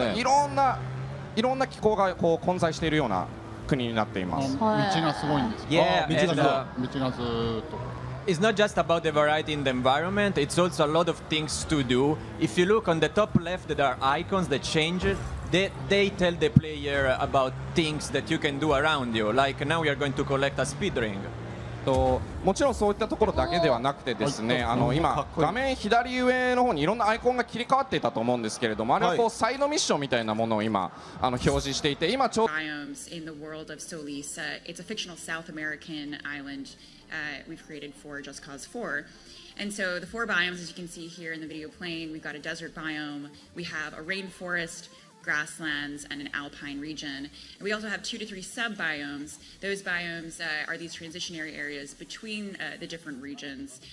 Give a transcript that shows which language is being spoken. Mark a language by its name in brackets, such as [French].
[Japanese] 早速まあこれは舞台のソリスの中なんですけれども、まずはこの砂漠から今始めています。そしてまあ前回には砂漠なかったんですけれども、今回あのいろんな天候だけじゃなくて、あのいろんな地域を追加しているので、まあ今見えているのは砂漠だけなんですけれども、熱帯雨林もありますし、さらにはこの遠くの方に今左手にも見えているあの雪山のような地域もあって、本当になんかいろんな気候が混在しているような。 [English] It's not just about the variety in the environment, it's also a lot of things to do. If you look on the top left, there are icons that change they tell the player about things that you can do around you. Like now we are going to collect a speed ring. [Japanese] もちろんそういったところだけではなくてですね、あの今画面左上の方にいろんなアイコンが切り替わっていたと思うんですけれども、あれはこうサイドミッションみたいなものを今あの表示していて、今ちょうど [English] Biomes in the world of Solis, it's a fictional South American island we've created for Just Cause 4. And so the four biomes, as you can see here in the video playing, we've got a desert biome, we have a rainforestgrasslands and an alpine region. And we also have 2 to 3 sub-biomes. Those biomes are these transitionary areas between the different regions.